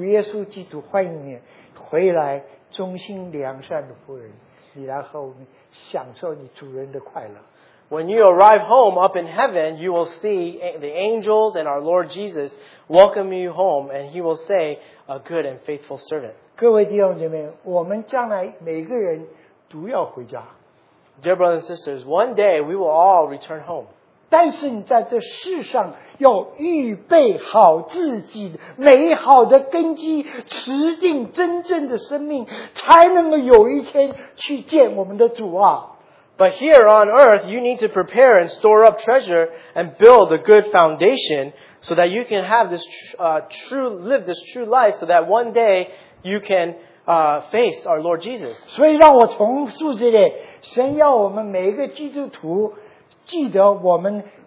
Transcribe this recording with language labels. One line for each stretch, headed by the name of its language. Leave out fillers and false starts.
Chinese: 你将来回家的时候，你看到天使天君主耶稣基督欢迎你回来。忠心良善的仆人，你来和我们享受你主人的快乐。
English: When you arrive home up in heaven, you will see the angels and our Lord Jesus welcome you home, and He will say, "A good and faithful servant."
Chinese: 各位弟兄姐妹，我们将来每个人都要回家。
English: Dear brothers and sisters, one day we will all return home.
Chinese: 但是你在这世上要预备好自己美好的根基，持定真正的生命，才能够有一天去见我们的主啊。
English: But here on earth, you need to prepare and store up treasure and build a good foundation so that you can have this true life so that one day you can face our Lord Jesus.
Chinese: 所以让我重述这里，神要我们每一个基督徒记得我们。